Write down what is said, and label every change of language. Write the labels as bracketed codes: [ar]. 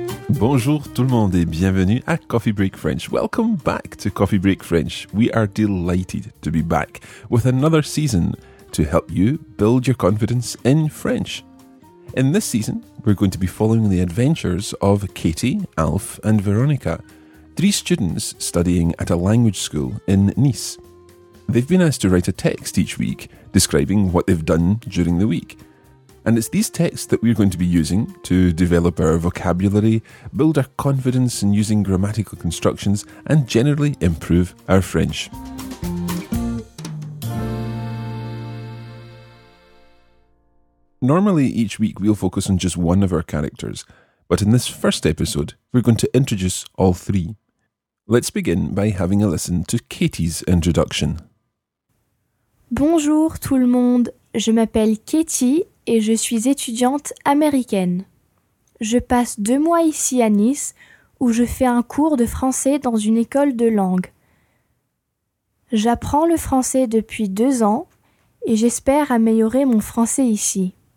[fr] Bonjour tout le monde et bienvenue à Coffee Break French. [en] Welcome back to Coffee Break French. We are delighted to be back with another season to help you build your confidence in French. In this season, we're going to be following the adventures of Katie, Alf and Veronica, three students studying at a language school in Nice. They've been asked to write a text each week describing what they've done during the week. And it's these texts that we're going to be using to develop our vocabulary, build our confidence in using grammatical constructions, and generally improve our French. Normally, each week we'll focus on just one of our characters, but in this first episode, we're going to introduce all three. Let's begin by having a listen to Katie's introduction. [fr] Bonjour tout le monde, je m'appelle Katie et je suis étudiante américaine. Je passe 2 mois ici à Nice, où je fais un cours de français dans une école de langue. J'apprends le français depuis 2 ans et j'espère améliorer mon français ici.